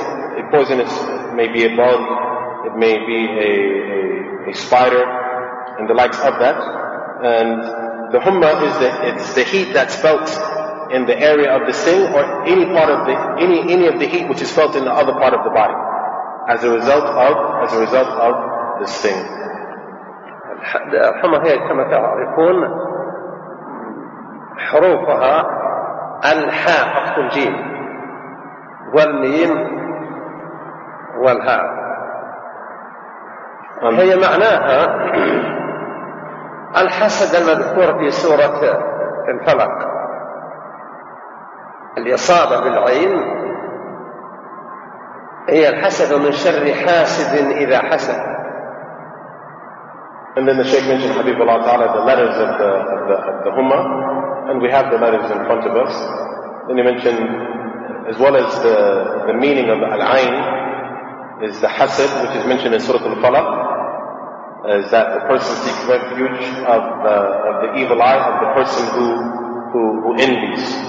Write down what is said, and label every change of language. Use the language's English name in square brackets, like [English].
[English] A poisonous, may be a bug, it may be a spider, and the likes of that. And the humma is it's the heat that's felt in the area of the sting, or any part of any of the heat which is felt in the other part of the body as a result of the sting. [Arabic] الحمى هي كما تعرفون حروفها الحاء حرف الجيم والميم والهاء، هي معناها الحسد المذكور في سورة الفلق، الإصابة بالعين هي الحسد من شر حاسد إذا حسد. [English] And then the Shaykh mentioned, Habibullah Ta'ala, the letters of the Humma, and we have the letters in front of us. Then he mentioned, as well as the meaning of Al-Ain, is the Hasid, which is mentioned in Surah Al-Falaq, is that the person seeks refuge of the evil eye of the person who envies.